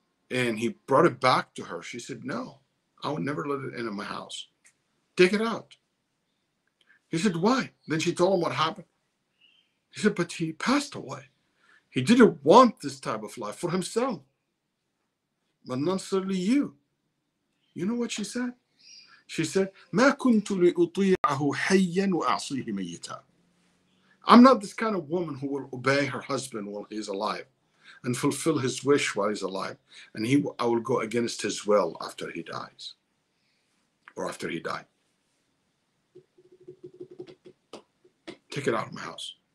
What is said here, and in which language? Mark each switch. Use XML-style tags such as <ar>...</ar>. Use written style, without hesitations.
<en>And he brought it back to her. She said, no, I would never let it in my house. Take it out. He said, why? Then she told him what happened. He said, but he passed away. He didn't want this type of life for himself, but not necessarily you. You know what she said? She said,</en> <ar>ما كنت لأطيعه حيا وأعصيه ميتا.</ar> <en>I'm not this kind of woman who will obey her husband while he's alive and fulfill his wish while he's alive. And I will go against his will after he dies, or after he died. Take it out of my house.</en>